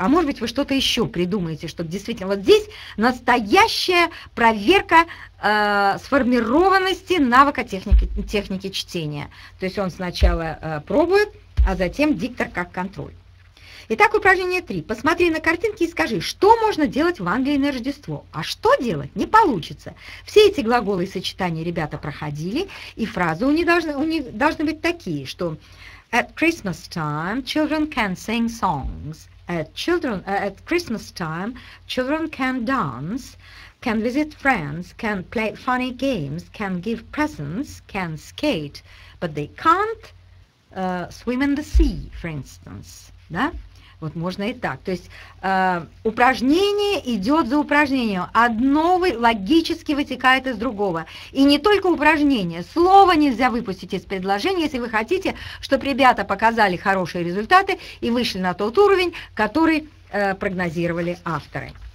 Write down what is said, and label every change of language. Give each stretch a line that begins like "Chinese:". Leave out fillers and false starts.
Russian: А может быть, вы что-то еще придумаете, чтобы действительно... Вот здесь настоящая проверка сформированности навыка техники чтения. То есть он сначала пробует, а затем диктор как контроль. Итак, упражнение 3. Посмотри на картинки и скажи, что можно делать в Англии на Рождество, а что делать не получится. Все эти глаголы и сочетания ребята проходили, и фразы у них должны быть такие, что
English: at Christmas time children can sing songs, at Christmas time children can dance, can visit friends, can play funny games, can give presents, can skate, but they can't swim in the sea, for instance.
Russian: Да? Вот можно и так. То есть упражнение идет за упражнением. Одно логически вытекает из другого. И не только упражнение. Слово нельзя выпустить из предложения, если вы хотите, чтобы ребята показали хорошие результаты и вышли на тот уровень, который прогнозировали авторы.